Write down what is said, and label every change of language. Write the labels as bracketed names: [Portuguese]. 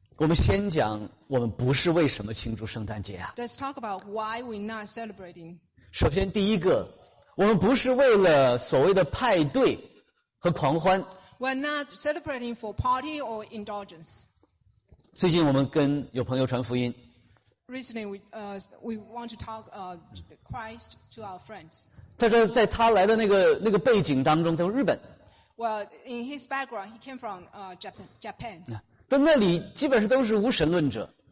[Chinese] 我们先讲我们不是为什么庆祝圣诞节啊。 [English] Let's talk about why we're not celebrating. [Chinese] 首先第一个，我们不是为了所谓的派对和狂欢。 [English] We're not celebrating for party or indulgence. [Chinese] 最近我们跟有朋友传福音。 [English] Recently we want to talk Christ to our friends. [Chinese] 他说在他来的那个背景当中，在日本。 [English] Well, in his background, he came from Japan. [Chinese] 但那里基本上都是无神论者。